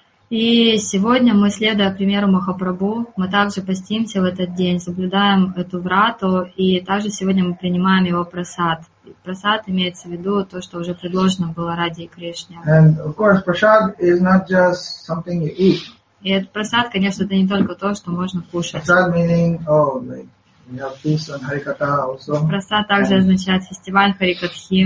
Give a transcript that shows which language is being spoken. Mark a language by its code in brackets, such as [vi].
[ru] И сегодня мы, следуя примеру Махапрабху, мы также постимся в этот день, соблюдаем эту врату, и также сегодня мы принимаем его прасад. Прасад имеется в виду то, что уже предложено было ради Кришны. [en] And of course, prasad is not just something you eat. [ru] И этот прасад, конечно, это не только то, что можно кушать. [en] Prasad meaning, oh, like, you have feast on Harikatha also. [ru] Прасад также означает фестиваль Харикатхи.